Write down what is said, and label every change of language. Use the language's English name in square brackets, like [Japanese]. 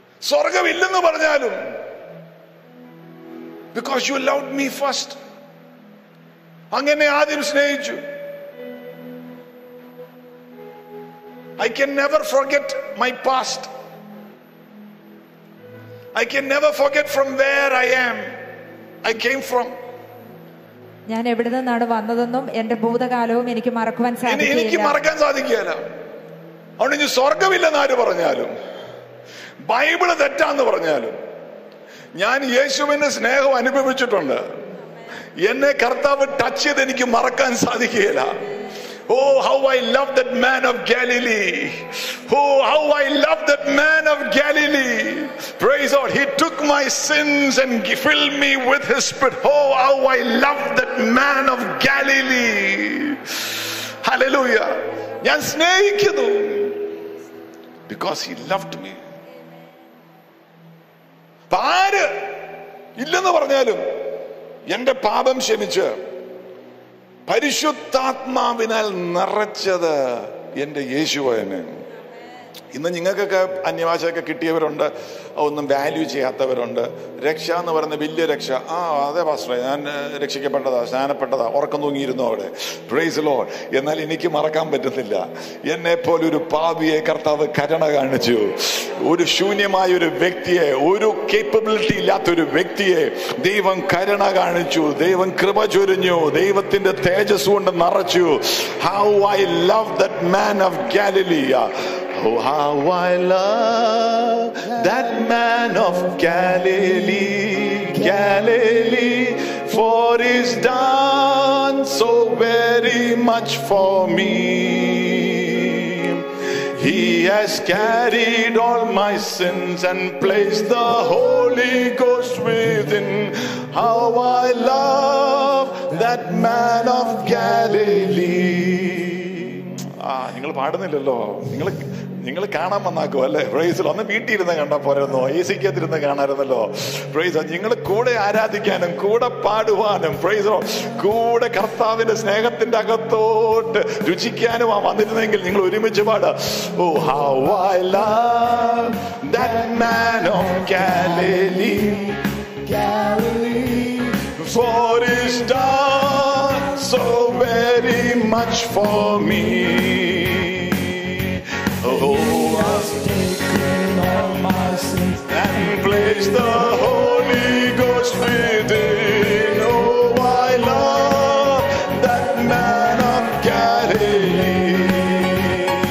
[Malayalam] സ്വർഗം ഇല്ലെന്ന് പറഞ്ഞാലും, [English] because you loved me first. [Malayalam] അങ്ങനെ ആദ്യം സ്നേഹിച്ചു. [English] I can never forget my past. I can never forget from where I am. I came from. [Malayalam] ഞാൻ എവിടെ നിന്നാണ് വന്നതെന്നും എന്റെ ഭൂതകാലവും എനിക്ക് മറക്കുവാൻ സാധിക്കില്ല. എനിക്ക് മറക്കാൻ സാധിക്കില്ല. അതുകൊണ്ട് ഇനി സ്വർഗമില്ലെന്ന് ആര് പറഞ്ഞാലും, ബൈബിള് തെറ്റാന്ന് പറഞ്ഞാലും, ഞാൻ യേശുവിന്റെ സ്നേഹം അനുഭവിച്ചിട്ടുണ്ട്. എന്നെ കർത്താവ് ടച്ച് ചെയ്ത് എനിക്ക് മറക്കാൻ സാധിക്കുകയില്ല. [English] Oh, how I love that man of Galilee. Oh, how I love that man of Galilee. Praise God. He took my sins and filled me with his spirit. Oh, how I love that man of Galilee. Hallelujah. [Malayalam] Yan snehikkunnu. [English] Because he loved me. [Malayalam] Paaru illennu paranjalum ente paapam shemichu പരിശുദ്ധാത്മാവിനാൽ നിറച്ചത് എൻ്റെ യേശുവിനെ. ഇന്ന് നിങ്ങൾക്കൊക്കെ അന്യഭാഷയൊക്കെ കിട്ടിയവരുണ്ട്, ഒന്നും value ചെയ്യാത്തവരുണ്ട്. രക്ഷ എന്ന് പറയുന്ന വലിയ രക്ഷ, ആ അതെ പാസ്റ്ററെ, ഞാൻ രക്ഷിക്കപ്പെട്ടതാ, സ്നാനപ്പെട്ടതാ, ഉറക്കം തൂങ്ങിയിരുന്നു അവിടെ. [English] Praise Lord. [Malayalam] എന്നാൽ എനിക്ക് മറക്കാൻ പറ്റുന്നില്ല, എന്നെപ്പോലെ ഒരു പാപിയെ കർത്താവ് കരുണ കാണിച്ചു. ഒരു ശൂന്യമായ ഒരു വ്യക്തിയെ, ഒരു കേപ്പബിലിറ്റി ഇല്ലാത്തൊരു വ്യക്തിയെ ദൈവം കരുണ കാണിച്ചു, ദൈവം കൃപ ചൊരിഞ്ഞു, ദൈവത്തിൻ്റെ തേജസ് കൊണ്ട് നിറച്ചു. [English] How I love that man of Galilee. Oh, how I love that man of Galilee, Galilee, for he's done so very much for me. He has carried all my sins and placed the Holy Ghost within. How I love that man of Galilee. [Malayalam] Ah, നിങ്ങൾ പാടുന്നില്ലല്ലോ, നിങ്ങൾ നിങ്ങൾ കാണാൻ വന്നാക്കോ അല്ലേ? Price. ഒന്ന് വീട്ടിൽ ഇരുന്ന് കണ്ടാൽ പോരായിരുന്നോ? A C കത്തിരുന്ന് കാണാമായിരുന്നല്ലോ. Price. നിങ്ങൾ കൂടെ ആരാധിക്കാനും കൂടെ പാടുവാനും, പ്രൈസ്, കൂടെ കർത്താവിന്റെ സ്നേഹത്തിന്റെ അകത്തോട്ട് രുചിക്കാനും ആ വന്നിരുന്നെങ്കിൽ നിങ്ങൾ ഒരുമിച്ച് പാട. [English] Oh how I love that man of Galilee, Galilee, for he's done so very much for me. Oh, has taken all my sins and placed the Holy Ghost within. Oh, I love that man of Galilee.